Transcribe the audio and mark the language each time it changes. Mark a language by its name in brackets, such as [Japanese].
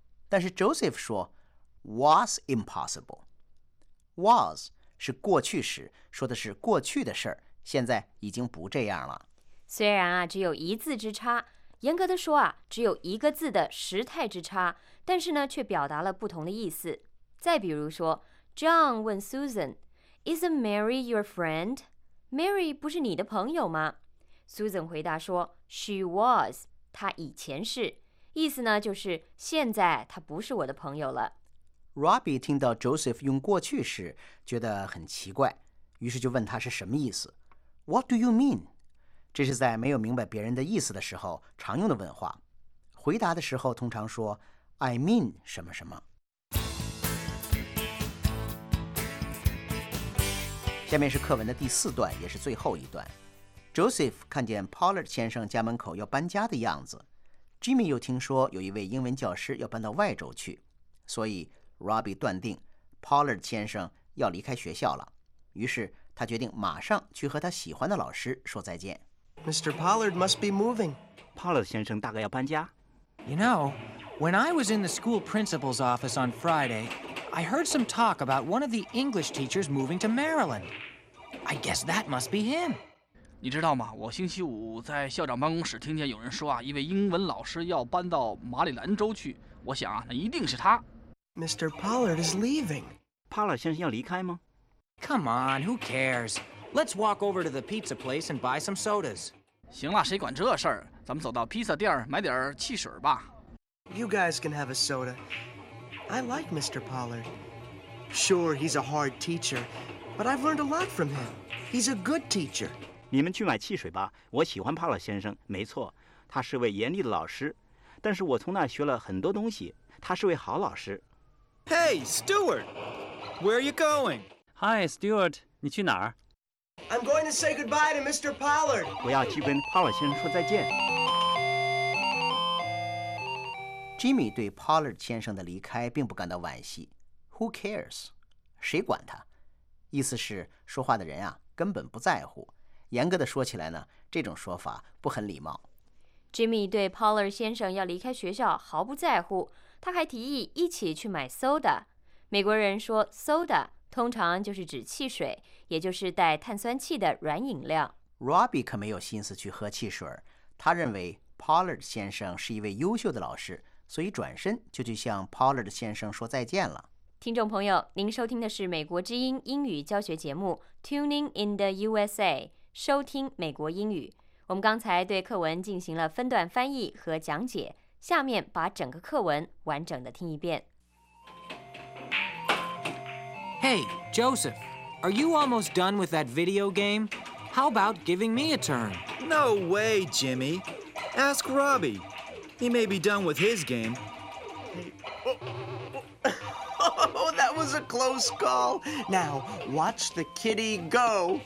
[Chinese] 但是 Joseph 说 [English] Was impossible Was [Chinese] 是过去时，说的是过去的事，现在已经不这样了。虽然啊，只有一字之差，严格的说啊，只有一个字的时态之差，但是呢，却表达了不同的意思。再比如说 ，John 问 Susan， [English] Isn't Mary your friend? [Chinese] Mary 不是你的朋友吗 ？Susan 回答说 ， [English] She was， [Chinese] 她以前是，意思呢就是现在她不是我的朋友了。 Robbie 听到 Joseph 用过去式，觉得很奇怪，于是就问他是什么意思 ， [English] What do you mean? [Chinese] 这是在没有明白别人的意思的时候常用的问话，回答的时候通常说 [English] I mean [Chinese] 什么什么。下面是课文的第四段，也是最后一段。Joseph 看见 Pollard 先生家门口要搬家的样子， Jimmy 又听说有一位英文教师要搬到外州去，所以 Robbie 断定 Pollard 先生要离开学校了，于是他决定马上去和他喜欢的老师说再见。 [English] Mr. Pollard must be moving. [Chinese] Pollard 先生大概要搬家。 [English] You know, when I was in the school principal's office on Friday, I heard some talk about one of the English teachers moving to Maryland. I guess that must be him. [Chinese] 你知道吗？我星期五在校长办公室听见有人说啊，一位英文老师要搬到马里兰州去。我想啊，那一定是他。 [English] Mr. Pollard is leaving. [Chinese] Pollard 先生要离开吗 [English] ？Come on, who cares? Let's walk over to the pizza place and buy some sodas. [Chinese] 行了，谁管这事儿？咱们走到披萨店买点汽水吧。 [English] You guys can have a soda. I like Mr. Pollard. Sure, he's a hard teacher, but I've learned a lot from him. He's a good teacher. [Chinese] 你们去买汽水吧。我喜欢帕勒先生，没错，他是位严厉的老师，但是我从那儿学了很多东西。他是位好老师。 [English] Hey, Stuart, where are you going? Hi, [Chinese] Stuart, 你去哪儿？ [English] I'm going to say goodbye to Mr. Pollard. [Chinese] 我要去跟 Pollard 先生说再见。 Jimmy 对 Pollard 先生的离开并不感到惋惜。 [English] Who cares? [Chinese] 谁管他？意思是说话的人啊，根本不在乎。严格的说起来呢，这种说法不很礼貌。 Jimmy 对 Pollard 先生要离开学校毫不在乎，他还提议一起去买 soda。美国人说 soda 通常就是指汽水，也就是带碳酸气的软饮料。 Robbie 可没有心思去喝汽水，他认为 Pollard 先生是一位优秀的老师，所以转身就去向 Pollard 先生说再见了。听众朋友，您收听的是美国之音英语教学节目 Tuning in the USA， 收听美国英语。我们刚才对课文进行了分段翻译和讲解，下面把整个课文完整的听一遍。 [English] Hey, Joseph, are you almost done with that video game? How about giving me a turn? No way, Jimmy. Ask Robbie. He may be done with his game. Oh, that was a close call. Now, watch the kitty go.